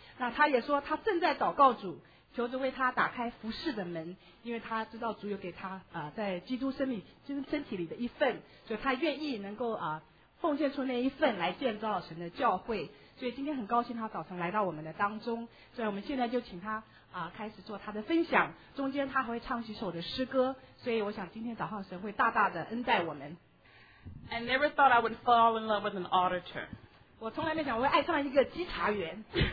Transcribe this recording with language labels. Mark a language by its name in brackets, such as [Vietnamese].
[Chinese] 那他也说他正在祷告主，求主为他打开服事的门，因为他知道主有给他在基督身体里的一份，所以他愿意能够奉献出那一份来建造神的教会。所以今天很高兴他早晨来到我们的当中，所以我们现在就请他开始做他的分享，中间他还会唱几首的诗歌，所以我想今天早上神会大大的恩待我们。 [English] I never thought I would fall in love with an auditor. [Chinese] 我从来没想我会爱上一个稽查员。